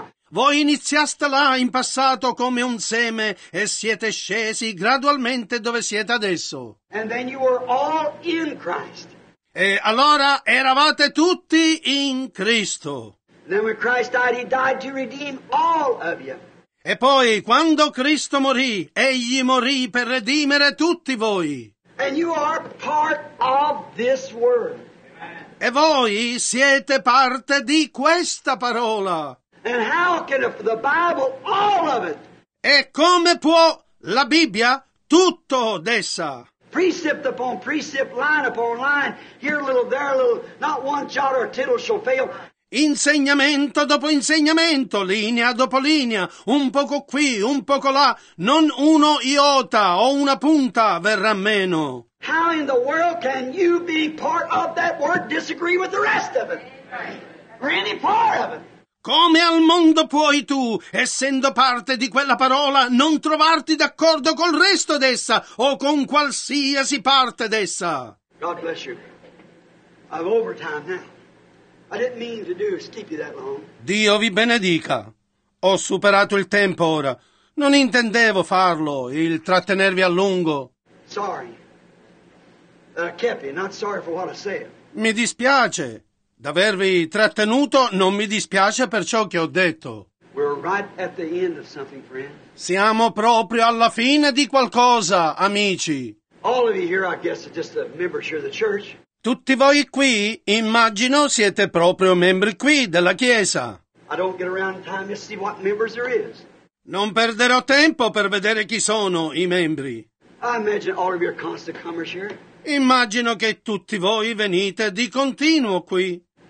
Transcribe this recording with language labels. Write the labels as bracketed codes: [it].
[it] Voi iniziaste là in passato come un seme e siete scesi gradualmente dove siete adesso. [en] And then you were all in Christ. [it] E allora eravate tutti in Cristo. [en] Then when Christ died, he died to redeem all of you. [it] E poi, quando Cristo morì, egli morì per redimere tutti voi. [en] And you are part of this word. [it] E voi siete parte di questa parola. [en] And how can the Bible, all of it, [it] e come può la Bibbia, tutto d'essa, [en] precept upon precept, line upon line, here a little, there a little, not one jot or tittle shall fail. [it] Insegnamento dopo insegnamento, linea dopo linea, un poco qui, un poco là, non uno iota o una punta verrà meno. [en] How in the world can you be part of that word, disagree with the rest of it? Or any part of it? [it] Come al mondo puoi tu, essendo parte di quella parola, non trovarti d'accordo col resto d'essa o con qualsiasi parte d'essa? [en] God bless you. I've overtime now. I didn't mean to do is keep you that long. [it] Dio vi benedica. Ho superato il tempo ora. Non intendevo farlo, il trattenervi a lungo. [en] Sorry. That I kept you. Not sorry for what I said. [it] Mi dispiace. D'avervi trattenuto non mi dispiace per ciò che ho detto. [en] We're right at the end of something, friend. [it] Siamo proprio alla fine di qualcosa, amici. [en] All of you here, I guess, are just a membership of the church. [it] Tutti voi qui, immagino, siete proprio membri qui della Chiesa. [en] I don't get around in time to see what members there is. [it] Non perderò tempo per vedere chi sono i membri. [en] I imagine all of your constant comers here. [it] Immagino che tutti voi venite di continuo qui.